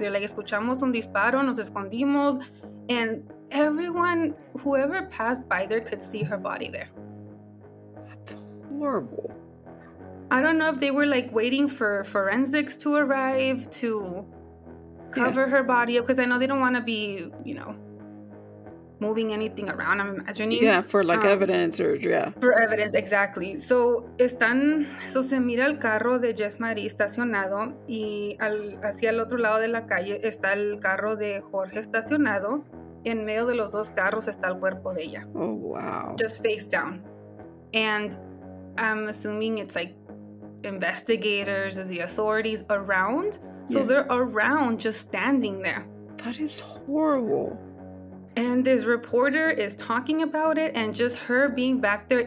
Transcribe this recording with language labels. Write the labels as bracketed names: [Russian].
[English] They're like, escuchamos un disparo, nos escondimos, and everyone, whoever passed by there could see her body there. That's horrible. I don't know if they were like waiting for forensics to arrive to cover her body up, because I know they don't want to be, you know, moving anything around, I'm imagining. Yeah, for like evidence or, yeah. For evidence, exactly. [Spanish] So, se mira el carro de Jesmarie estacionado y hacia el otro lado de la calle está el carro de Jorge estacionado. En medio de los dos carros está el cuerpo de ella. [English] Oh, wow. Just face down. And I'm assuming it's like investigators or the authorities around. So they're around just standing there. That is horrible. And this reporter is talking about it and just her being back there.